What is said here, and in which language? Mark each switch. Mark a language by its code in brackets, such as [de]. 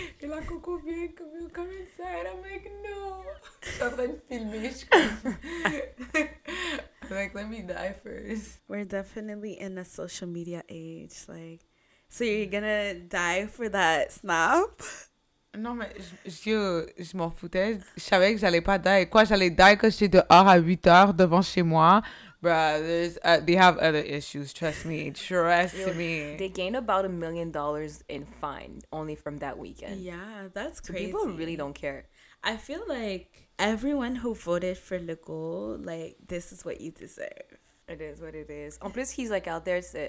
[fr] Et là, Coco vient, comme, [en] you come inside, I'm like, no! [fr] Je suis en train de filmer, je suis comme, like, [en] let me die first. We're definitely in a social media age, like, so you're gonna die for that snap? [fr] Non, mais je m'en foutais. Je savais que j'allais pas die. Quoi, j'allais die quand j'étais dehors à 8 heures devant chez moi? [en] Brothers, they have other issues. Trust me. They gained about $1 million in fine only from that weekend. Yeah, that's crazy. So people really don't care. I feel like everyone who voted for Legault, like, this is what you deserve. It is what it is. [fr] En plus, [en] he's like out there.